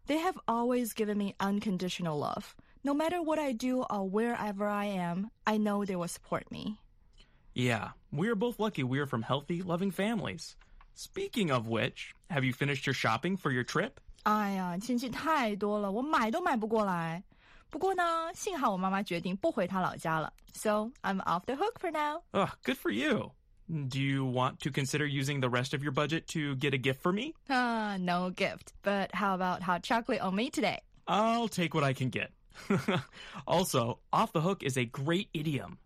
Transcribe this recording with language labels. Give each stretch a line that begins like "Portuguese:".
English: They have always given me unconditional love. No matter what I do or wherever I am, I know they will support me. Yeah, we are both lucky we are from healthy, loving families. Speaking of which, have you finished your shopping for your trip?
Chinese: 哎呀，亲戚太多了，我买都买不过来。不过呢，幸好我妈妈决定不回她老家了。
English: So, I'm off the hook for now. Oh, good for you. Do you want to consider using the rest of your budget to get a gift for me? No gift. But how about hot chocolate on me today? I'll take what I can get. Also, off the hook is a great idiom.